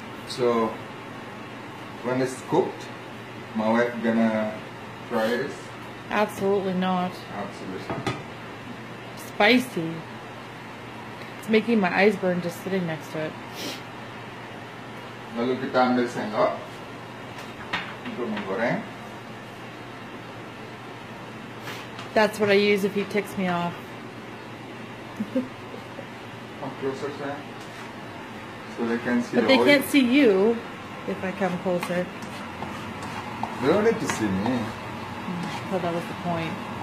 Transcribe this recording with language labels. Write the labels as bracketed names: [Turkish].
[English] So when it's cooked, my wife gonna try this? Absolutely not. Absolutely. Spicy. It's making my eyes burn just sitting next to it. [Indonesian] Lalu kita ambil sendok untuk menggoreng. [English] That's what I use if he ticks me off. Come closer, Sam. So they can see. But the they oil. Can't see you if I come closer. They don't need to see me. I thought that was the point.